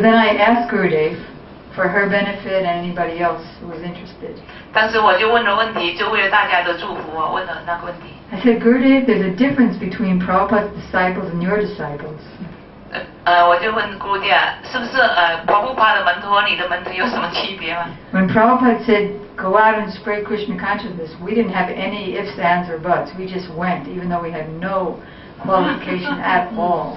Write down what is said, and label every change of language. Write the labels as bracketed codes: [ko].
[en] then I asked Gurudev for her benefit and anybody else who was interested. [zh] 但是我就问了问题，就为了大家的祝福，我问了那个问题。 [en] I said, Gurudev, there's a difference between Prabhupada's disciples and your disciples. [zh] 我就问Gurudev，是不是Prabhupada的门徒和你的门徒有什么区别吗？ [en] When Prabhupada said, go out and spread Krishna consciousness, we didn't have any ifs, ands, or buts. We just went, even though we had no qualification at all.